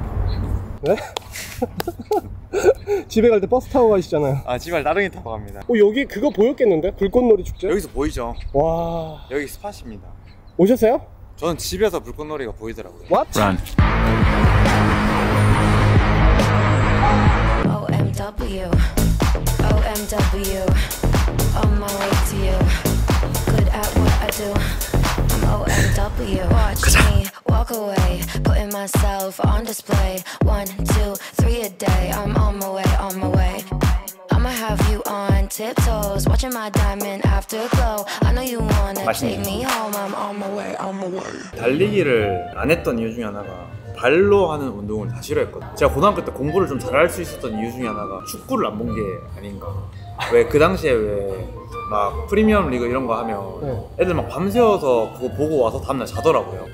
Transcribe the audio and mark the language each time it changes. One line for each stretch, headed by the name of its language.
Korean: 거. 네? 집에 갈 때 버스 타고 가시잖아요. 아, 집을 나른히 타고 갑니다. 오, 여기 그거 보였겠는데? 불꽃놀이 축제? 여기서 보이죠. 와, 여기 스팟입니다. 오셨어요? 저는 집에서 불꽃놀이가 보이더라고요.
English: What? Run. OMW OMW on my way to you. Good at what I do. I'm OMW. Watch me walk. walk away, putting myself on display. One, two, three a day, I'm on my way, on my way. I'ma have you on tiptoes, watching my diamond afterglow. I know you wanna take me home, I'm on my way, on my way.
Korean: 달리기를 안 했던 이유 중에 하나가 발로 하는 운동을 다 싫어했거든. 제가 고등학교 때 공부를 좀 잘할 수 있었던 이유 중에 하나가 축구를 안 본 게 아닌가. 왜 그 당시에 왜 막 프리미엄 리그 이런 거 하면 애들 막 밤새워서 그거 보고 와서 다음날 자더라고요.